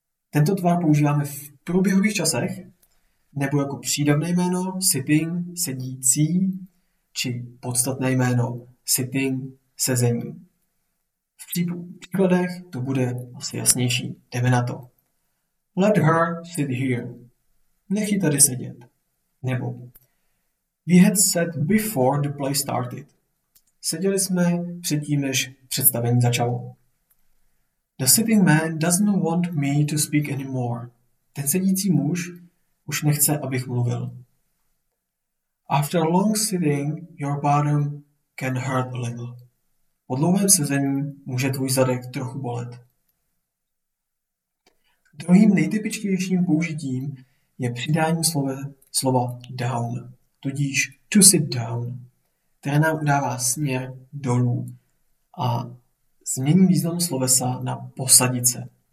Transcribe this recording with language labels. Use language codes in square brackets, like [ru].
[cs] Tento tvar používáme v průběhových časech, nebo jako přídavné jméno sitting, sedící, či podstatné jméno sitting, sezení. V příkladech to bude asi jasnější. Jdeme na to. [en] Let her sit here. [cs] Nech ji tady sedět. Nebo [en] we had sat before the play started. [cs] Seděli jsme předtím, než představení začalo. [en] The sitting man doesn't want me to speak anymore. [cs] Ten sedící muž už nechce, abych mluvil. [en] After long sitting, your bottom can hurt a little. [cs] Po dlouhém sezení může tvůj zadek trochu bolet. Druhým nejtypičtějším použitím je přidání slova down, tudíž to sit down, které nám udává směr dolů a změní význam slovesa na posadit se.